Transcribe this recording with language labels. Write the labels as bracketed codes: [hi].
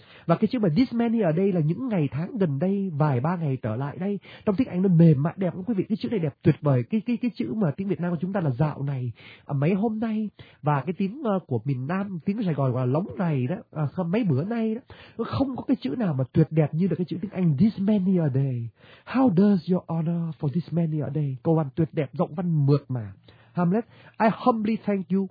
[vi] Và cái chữ mà [en] this many [vi] ở đây là những ngày tháng gần đây, vài ba ngày trở lại đây, trong tiếng Anh nó mềm mại đẹp lắm quý vị, cái chữ này đẹp tuyệt vời. Cái chữ mà tiếng Việt Nam của chúng ta là dạo này, mấy hôm nay, và cái tiếng của miền Nam, tiếng Sài Gòn gọi là lóng này đó, mấy bữa nay đó, không có cái chữ nào mà tuyệt đẹp như là cái chữ tiếng Anh [en] this many a day. How does your honor for this many a day? [vi] Câu văn tuyệt đẹp, giọng văn mượt mà. Hamlet, [en] I humbly thank you.